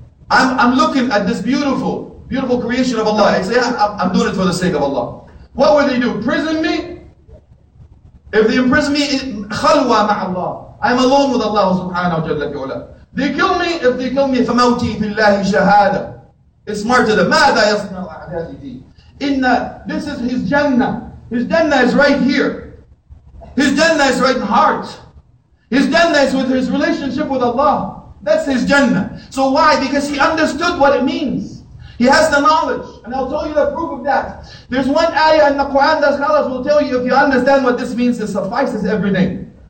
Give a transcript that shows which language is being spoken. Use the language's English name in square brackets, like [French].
[English] I'm looking at this beautiful, beautiful creation of Allah. I say, I'm doing it for the sake of Allah. What will they do? Prison me? If they imprison me, خَلْوَى مَعَ اللَّهِ I'm alone with Allah subhanahu wa jalla fi ula. They kill me, if they kill me, فَمَوْتِي فِي اللَّهِ شَهَادًا It's martyr. [Arabic] مَاذَا يَصْنَعُ أَعْدَائِي بِي إِنَّ This is his jannah. [English] His jannah is right here. His jannah is right in heart. His jannah is with his relationship with Allah. That's his jannah. So why? Because he understood what it means. He has the knowledge. And I'll tell you the proof of that. There's one ayah in the Quran that scholars will tell you, if you understand what this means, it suffices everything.